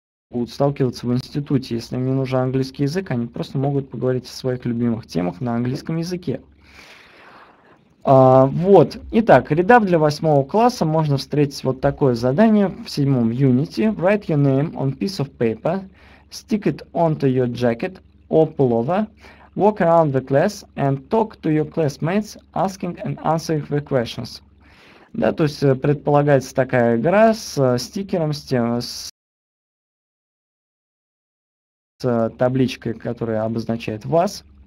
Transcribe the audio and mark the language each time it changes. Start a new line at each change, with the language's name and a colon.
Russian: будут сталкиваться в институте. Если им не нужен английский язык, они просто могут поговорить о своих любимых темах на английском языке. Вот. Итак, Redup для 8 класса. Можно встретить вот такое задание в 7 Unity.
English: Write your name on piece of paper, stick it onto your jacket or pullover, walk around the class and talk to your classmates, asking and answering the questions.
Russian: Да, то есть предполагается такая игра с стикером, с табличкой, которая обозначает вас.